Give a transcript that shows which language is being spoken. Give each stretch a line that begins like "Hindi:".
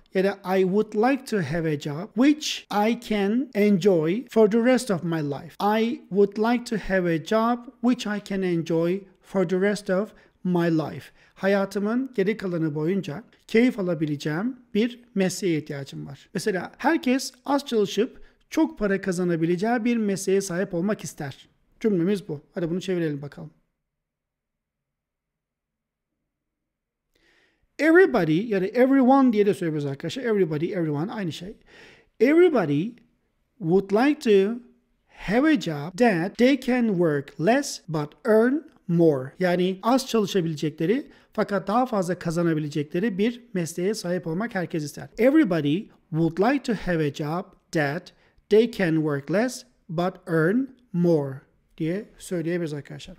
Turkish: Ya da
English: I would like to have a job which I can enjoy for the rest of my life. I would like to have a job which I can enjoy for the rest of my life.
Turkish: Hayatımın geri kalanı boyunca keyif alabileceğim bir mesleğe ihtiyacım var. Mesela herkes az çalışıp çok para kazanabileceği bir mesleğe sahip olmak ister. Cümlemiz bu. Hadi bunu çevirelim bakalım. Everybody, ya da everyone diye de söylüyoruz arkadaşlar. Everybody, everyone, aynı şey.
English: Everybody would like to have a job that they can work less but earn more.
Turkish: Yani az çalışabilecekleri fakat daha fazla kazanabilecekleri bir mesleğe sahip olmak herkes ister.
English: Everybody would like to have a job that they can work less but earn more
Turkish: diye söyleyebiliriz arkadaşlar.